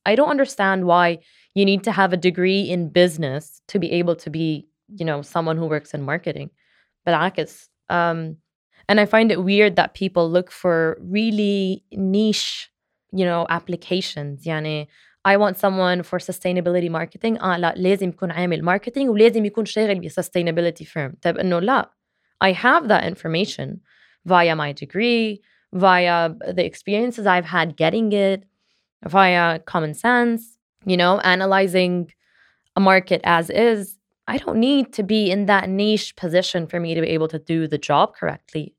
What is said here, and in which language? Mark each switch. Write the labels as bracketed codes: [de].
[en] I don't understand why you need to have a degree in business to be able to be, you know, someone who works in marketing. But I guess, and I find it weird that people look for really niche, you know, applications. [ar] يعني, [en] I want someone for sustainability marketing. [ar] لا, لازم يكون عامل marketing ولازم يكون شغل بsustainability firm. طيب إنه لا, [en] I have that information via my degree, via the experiences I've had getting it, via common sense, you know, analyzing a market as is. I don't need to be in that niche position for me to be able to do the job correctly.